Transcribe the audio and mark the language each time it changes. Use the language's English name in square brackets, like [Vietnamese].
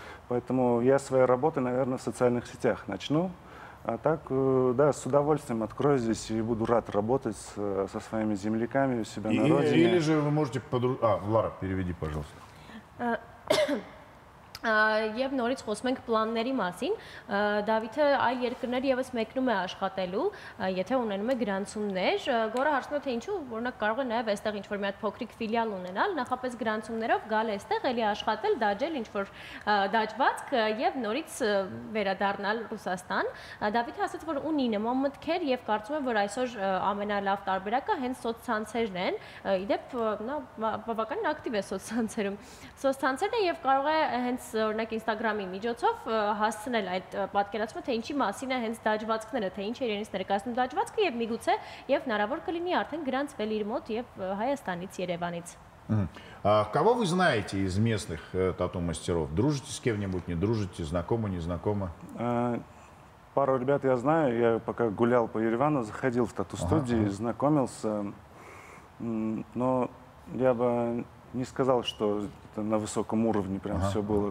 [Russian] Поэтому я свои работы, наверное, в социальных сетях начну. А так, да, с удовольствием открою здесь и буду рад работать со своими земляками у себя на родине. Или же вы можете Лара, переведи, пожалуйста. [Armenian] Եվ նորից խոսում ենք պլանների մասին, Դավիթը այլ երկրներ եւս մեկնում է աշխատելու, եթե ունենում է գրանցումներ, գորը հարցնում է, թե ինչու, որնակ կարող է նաեւ այստեղ ինչ-որ մի հատ փոքրիկ ֆիլիալ ունենալ, նախապես գրանցումներով գալ այստեղ, էլի աշխատել, դաջել ինչ-որ դաջվածք եւ նորից վերադառնալ Ռուսաստան. Դավիթը ասաց, որ ունի նման մտքեր եւ կարծում է, որ այսօր ամենալավ տարբերակը հենց սոցցանցերն են, իդեպ նա բավականին ակտիվ է սոցցանցերում, սոցցանցերն է եւ կարող է հենց օրինակ Instagram-ի միջոցով հասցնել այդ պատկերացումը, թե ինչի մասին է հենց դաջվածքները, թե ինչ է իրենից ներկայացնում դաջվածքը եւ միգուցե եւ հնարավոր կլինի արդեն գրանցվել իր մոտ եւ Հայաստանից, Երևանից։ [Russian] Кого вы знаете из местных тату-мастеров? Дружите с кем-нибудь, не дружите, знакомы, не знакомы? Пару ребят я знаю, я пока гулял по Еревану, заходил в тату-студии, знакомился, но я бы не сказал, что на высоком уровне прям все было.